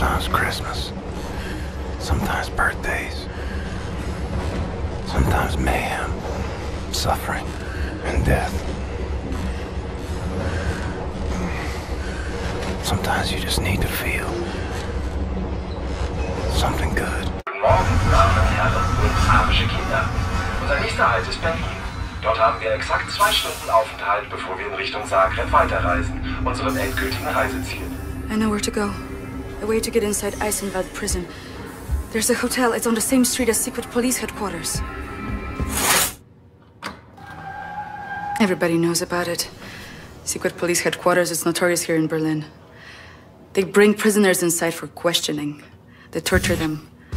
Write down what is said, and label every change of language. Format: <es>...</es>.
<en>Christmas, sometimes birthdays, sometimes mayhem, suffering, and death. Sometimes you just need to feel something good.</en> <de>Morgen nahmen wir alle arabische Kinder. Unser nächster Halt ist Berlin. Dort haben wir exakt 2 Stunden Aufenthalt, bevor wir in Richtung Zagreb weiterreisen, unserem endgültigen Reiseziel.</de> <en>I know where to go. A way to get inside Eisenwald prison. There's a hotel. It's on the same street as secret police headquarters. Everybody knows about it. Secret police headquarters is notorious here in Berlin. They bring prisoners inside for questioning. They torture them.</en>